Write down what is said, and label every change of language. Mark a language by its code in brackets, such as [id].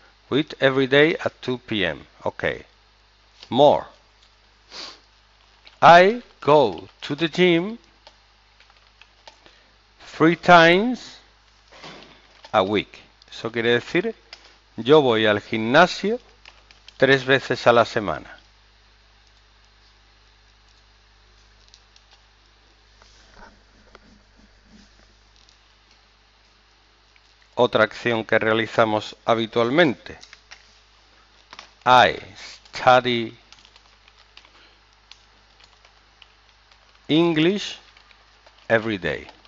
[en] We eat every day at 2 p.m. Okay. More. I go to the gym 3 times a week. [es] Eso quiere decir, yo voy al gimnasio 3 veces a la semana. Otra acción que realizamos habitualmente. [en] I study English every day.